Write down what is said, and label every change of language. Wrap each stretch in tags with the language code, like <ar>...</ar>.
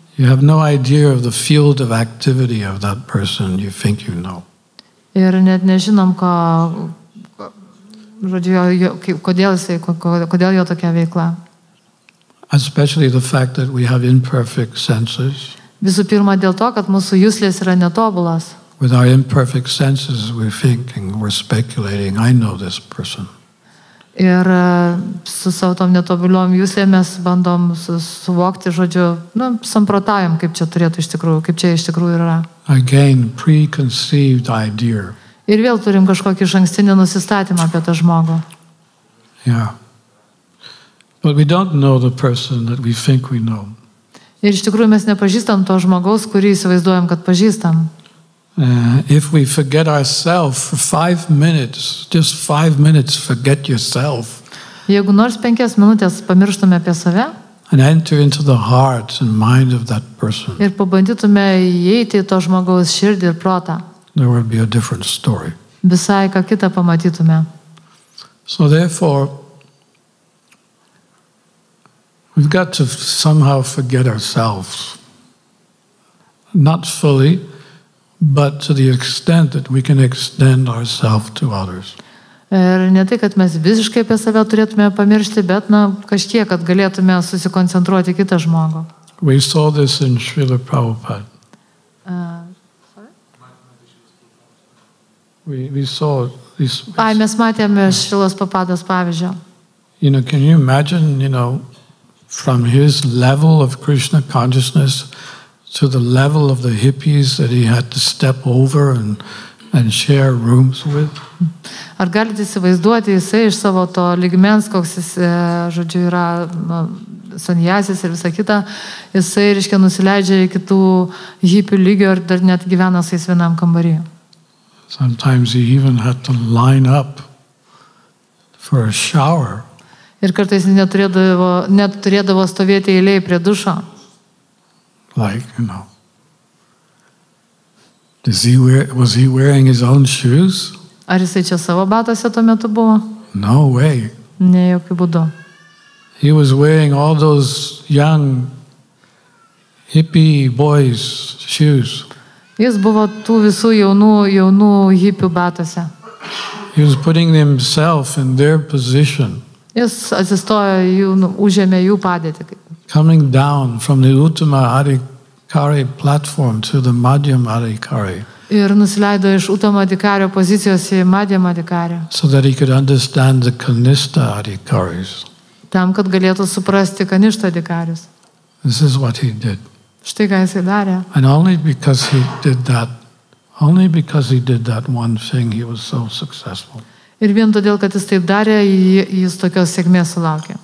<en>You have no idea of the field of activity of that person you think you know.</en> <lt>Ir net nežinom, kodėl jo tokia veikla.</lt> <en>Especially the fact that we have imperfect senses.</en> <lt>Visų pirma, dėl to, kad mūsų juslės yra netobulas.</lt> <en>With our imperfect senses, we're thinking, we're speculating, I know this person.</en> <lt>Ir su savo tom netobuliom jūsėmės bandom suvokti, žodžiu, nu, samprotavim, kaip čia turėtų iš tikrųjų, kaip čia iš tikrųjų yra.</lt> <en>Again, preconceived idea.</en> <lt>Ir vėl turim kažkokį žankstinį nusistatymą apie tą žmogų.</lt> <en>Yeah. But we don't know the person that we think we know.</en> <lt>Ir iš tikrųjų mes nepažįstam to žmogaus, kurį įsivaizduojam, kad pažįstam.</lt> <en>If we forget ourselves for 5 minutes, just 5 minutes, forget yourself.</en> <lt>Jeigu nors 5 minutės pamirštume apie save.</lt> <en>And enter into the heart and mind of that person.</en> <lt>Ir pabandytume įeiti to žmogaus širdį ir protą.</lt> <en>There would be a different story.</en> <lt>Visai ką kitą pamatytume.</lt> <en>So therefore, we've got to somehow forget ourselves. Not fully, but to the extent that we can extend ourselves to others.</en> <lt>Ir ne tai, kad mes visiškai apie save turėtume pamiršti, bet na, kažkiek, kad galėtume susikoncentruoti kitą žmogų.</lt> <en>We saw this in Srila Prabhupada.</en> <lt>Mes matėme Šrilos Prabhupados pavyzdžio.</lt> <en>You know, can you imagine, you know, from his level of Krishna consciousness to the level of the hippies that he had to step over and share rooms with?</en> <lt>Ar galite įsivaizduoti, jisai iš savo to lygmens, koks jis, žodžiu, yra sanjasis ir visa kita, jisai, reiškia, nusileidžia į kitų hippių lygio ir dar net gyvena su jis vienam kambarį.</lt> <en>Sometimes he even had to line up for a shower.</en> <lt>Ir kartais neturėdavo stovėti eilėje prie dušo.</lt> <en>Like, you know. Was he wearing his own shoes?</en> <lt>Ar jisai čia savo batose tuo metu buvo?</lt> <en>No way.</en> <lt>Ne jokių būdų.</lt> <en>He was wearing all those young hippie boys' shoes.</en> <lt>Jis buvo tų visų jaunų hippių batose.</lt> <en>He was putting himself in their position.</en> <lt>Jis atsistojo, užėmė jų padėtį.</lt> <en>Coming down from the Uttama Adhikari platform to the Madhyam Adhikari.</en> <lt>Ir nusileido iš Uttama Adhikario pozicijos į Madhyam Adhikari.</lt> <en>So that he could understand the Kanista Adhikaris.</en> <lt>Tam, kad galėtų suprasti Kanista Adhikaris.</lt> <en>This is what he did.</en> <lt>Štai ką jisai darė.</lt> <en>And only because he did that one thing, he was so successful.</en> <lt>Ir vien todėl, kad jis taip darė, jis tokios sėkmės sulaukė.</lt>